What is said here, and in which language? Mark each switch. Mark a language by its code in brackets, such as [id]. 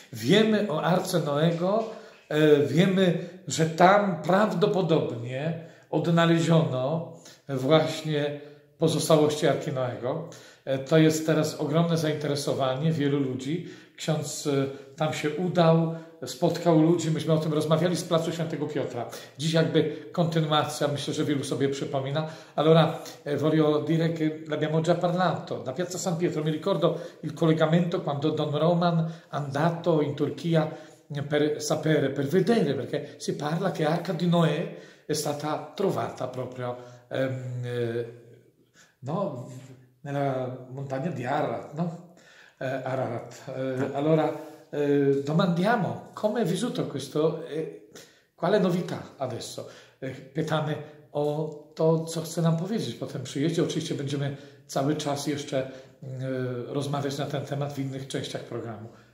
[pl] Wiemy o Arce Noego, wiemy, że tam prawdopodobnie odnaleziono właśnie pozostałości Arki Noego. To jest teraz ogromne zainteresowanie wielu ludzi. Ksiądz tam się udał, spotkał ludzi, myśmy o tym rozmawiali z placu Świętego Piotra. Dziś jakby kontynuacja, myślę, że wielu sobie przypomina. [it] Allora, voglio dire che l'abbiamo già parlato. La piazza San Pietro, mi ricordo il collegamento quando Don Roman andato in Turchia per sapere, per vedere, perché si parla che Arca di Noè è stata trovata proprio nella montagna di Ararat, no? Ararat. Allora, domandiamo come è vissuto questo e quale novità adesso. [pl] Pytamy o to, co chce nam powiedzieć. Potem przyjedzie, oczywiście będziemy cały czas jeszcze rozmawiać na ten temat w innych częściach programu.